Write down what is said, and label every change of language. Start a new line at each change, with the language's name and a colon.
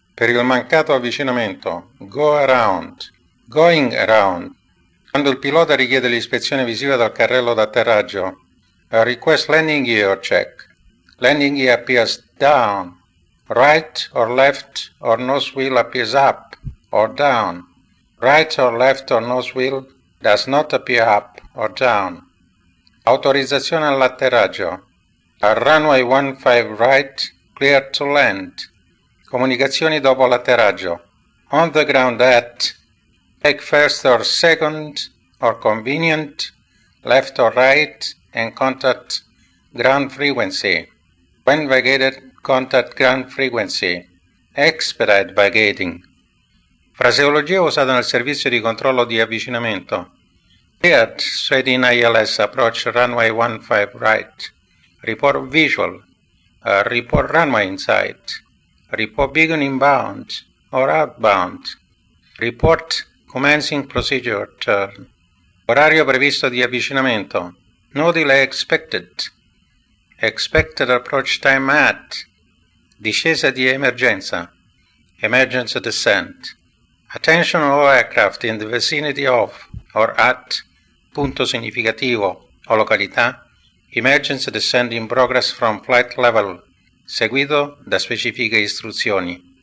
Italian: Per il mancato avvicinamento,
English: go around. Going around.
Italian: Quando il pilota richiede l'ispezione visiva dal carrello d'atterraggio,
English: request landing gear check. Landing gear appears down. Right or left or nose wheel appears up or down. Right or left or nose wheel does not appear up or down.
Italian: Autorizzazione all'atterraggio.
English: A runway 15 right, clear to land.
Italian: Comunicazioni dopo l'atterraggio.
English: On the ground at, take first or second or convenient, left or right, and contact ground frequency. When vacated, contact ground frequency. Expedite vacating.
Italian: Fraseologia usata nel servizio di controllo di avvicinamento.
English: Cleared, straight in ILS, approach runway 15 right. Report visual. Report runway inside. Report beacon inbound or outbound. Report commencing procedure turn.
Italian: Orario previsto di avvicinamento.
English: No delay expected. Expected approach time at.
Italian: Discesa di emergenza.
English: Emergency descent. Attention all aircraft in the vicinity of or at
Italian: punto significativo o località,
English: emergency descent in progress from flight level,
Italian: seguito da specifiche istruzioni.